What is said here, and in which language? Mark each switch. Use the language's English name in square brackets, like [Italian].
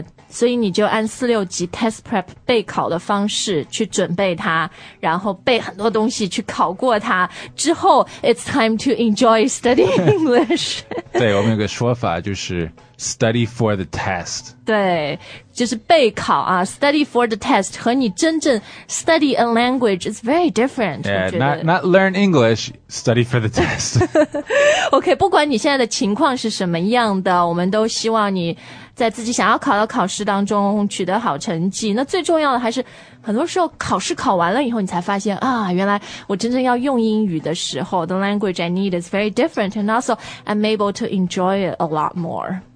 [Chinese] 所以你就按四六级 test prep 备考的方式去准备它，然后背很多东西去考过它之后 [English] it's time to enjoy studying English。 [Chinese] 对，我们有个说法就是 [English] study for the test。 [Chinese] 对，就是备考啊， [English] study for the test [Chinese] 和你真正 [English] study a language is very different. Yeah, not learn English, study for the test. [Chinese] OK, 不管你现在的情况是什么样的，我们都希望你在自己想要考的考试当中取得好成绩。那最重要的还是很多时候考试考完了以后你才发现啊，原来我真正要用英语的时候 [English] the language I need is very different and also I'm able to enjoy it a lot more.